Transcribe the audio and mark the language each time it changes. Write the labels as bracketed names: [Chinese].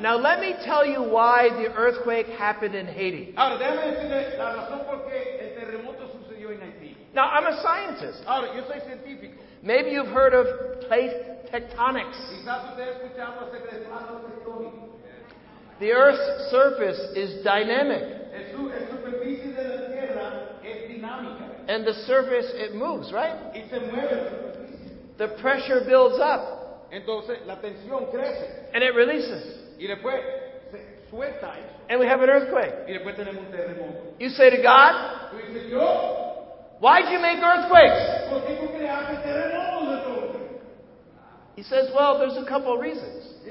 [English] Now let me tell you why the earthquake happened in Haiti. [Spanish] Ahora, déjame decirle la razón por qué el terremoto sucedió en Haití. [English] Now I'm a scientist. [Spanish] Ahora, yo soy científico. [English] Maybe you've heard of plate tectonics. [Spanish] Quizás usted ha escuchado acerca de plato tectónico. [English] The Earth's surface is dynamic. [Spanish] La superficie de la Tierra es dinámica. [English] And the surface, it moves, right? [Spanish] Y se mueve. [English] The pressure builds up. [Spanish] Entonces, la tensión crece. [English] And it releases. [Spanish] Y después, se suelta eso. [English] And we have an earthquake. [Spanish] Y después tenemos un terremoto. [English] You say to God, [Spanish] tú dices, Dios, [English] why did you make earthquakes? [Spanish] ¿Por qué tú creaste terremotos de todo? [English] He says, well, there's a couple of reasons.